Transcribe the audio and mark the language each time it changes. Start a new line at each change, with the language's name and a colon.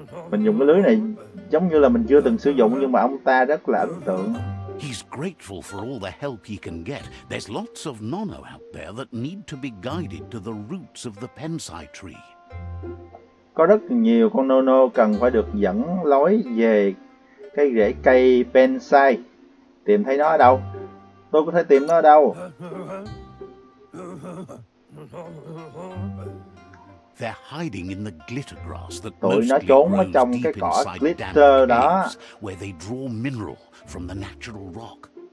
Vietnamese: Mình dùng cái lưới này giống như là mình chưa từng sử dụng, nhưng mà ông ta rất là ấn tượng.
English: He's grateful for all the help he can get. There's lots of Nonno out there that need to be guided to the roots of the pensai tree.
Vietnamese: Có rất nhiều con Nonno cần phải được dẫn lối về cái rễ cây pensai. Tìm thấy nó ở đâu? Tôi có thể tìm nó ở đâu?
English: They're hiding in the glitter grass that
Vietnamese: tụi nó trốn ở trong cái cỏ glitter đó,
English: where they draw mineral from the natural rock.